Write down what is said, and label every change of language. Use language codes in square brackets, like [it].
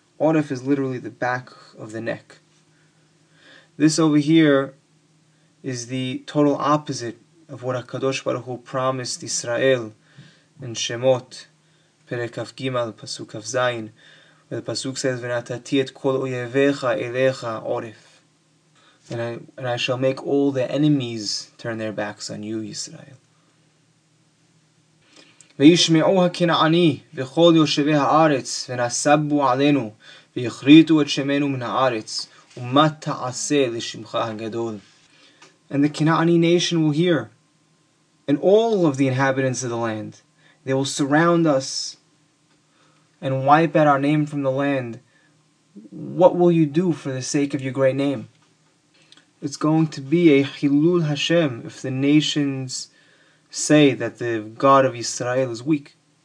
[en] Oref is literally the back of the neck. This over here is the total opposite of what HaKadosh Baruch Hu promised Israel in Shemot, Perek Kaf Gimel, Pasuk Kaf Zayin, where the Pasuk says, [he] V'natati et kol oyevecha elecha oref. [en] And I shall make all the enemies turn their backs on you, Israel. [he] וישמעו הכנעני וכל יושבי הארץ ונסבו עלינו ויחריטו את שמנו מן הארץ ומה תעשה לשמך הגדול. [en] And the Canaanite nation will hear, and all of the inhabitants of the land, they will surround us and wipe out our name from the land. What will you do for the sake of your great name? It's going to be a Chilul Hashem if the nations say that the God of Israel is weak.